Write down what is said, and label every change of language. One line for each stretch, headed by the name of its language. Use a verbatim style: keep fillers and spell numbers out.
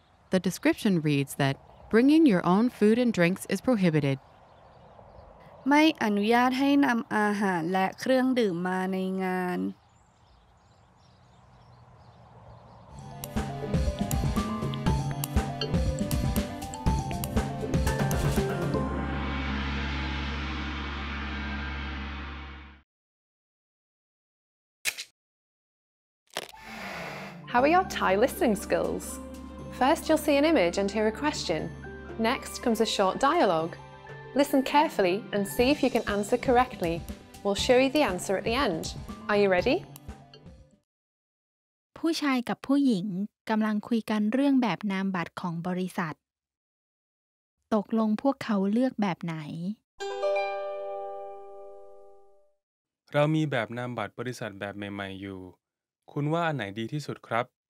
English: The description reads that bringing your own food and drinks is prohibited.
Thai: ไม่อนุญาตให้นำอาหารและเครื่องดื่มมาในงาน
English: How are your Thai listening skills? First, you'll see an image and hear a question. Next comes a short dialogue. Listen carefully and see if you can answer correctly. We'll show you the answer at the end. Are you ready?
Thai: ผู้ชายกับผู้หญิงกำลังคุยกันเรื่องแบบนามบัตรของบริษัทตกลงพวกเขาเลือกแบบไหน เรามีแบบนามบัตรบริษัทแบบใหม่ๆอยู่ คุณว่าอันไหนดีที่สุดครับ